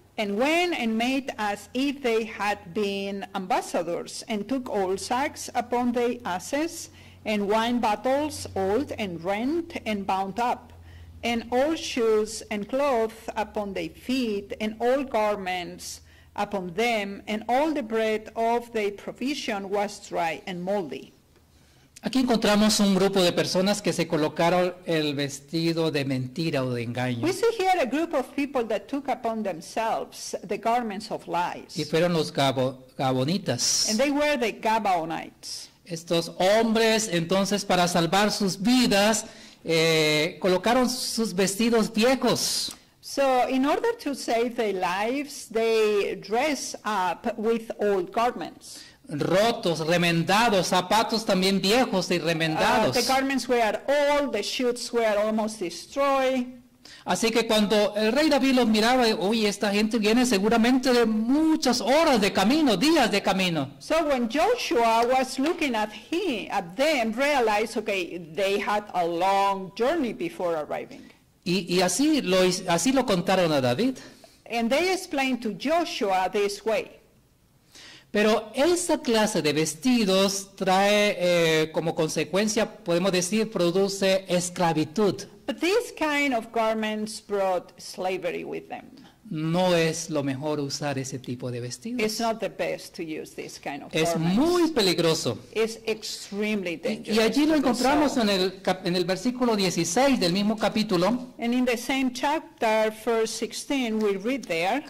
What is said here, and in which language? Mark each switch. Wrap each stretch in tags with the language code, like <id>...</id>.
<en>And went and made as if they had been ambassadors, and took all sacks upon the asses, and wine bottles, old and rent and bound up, and all shoes and clothes upon their feet, and all garments upon them, and all the bread of their provision was dry and moldy.</en> <es>Aquí encontramos un grupo de personas que se colocaron el vestido de mentira o de engaño.</es> <en>We see here a group of people that took upon themselves the garments of lies.</en> <es>Y fueron los Gabonitas.</es> <en>And they were the Gabaonites.</en> <es>Estos hombres, entonces, para salvar sus vidas, colocaron sus vestidos viejos.</es> <en>So, in order to save their lives, they dress up with old garments.</en> <es>Rotos, remendados, zapatos también viejos y remendados.</es> <en>The garments were old, the shoes were almost destroyed.</en> <es>Así que cuando el rey David los miraba, oye, esta gente viene seguramente de muchas horas de camino, días de camino.</es> <en>So when Joshua was looking at them, realized, okay, they had a long journey before arriving.</en> <es>Y así lo contaron a David.</es> <en>And they explained to Joshua this way.</en> <es>Pero esa clase de vestidos trae como consecuencia, podemos decir, produce esclavitud.</es> <en>But this kind of garments brought slavery with them.</en> <es>No es lo mejor usar ese tipo de vestidos.</es> <en>It's not the best to use this kind of garments.</en> <es>Es muy peligroso.</es> <en>It's extremely dangerous.</en> <es>Y allí lo encontramos en el versículo 16 del mismo capítulo.</es> <en>And in the same chapter, verse 16, we read there.</en>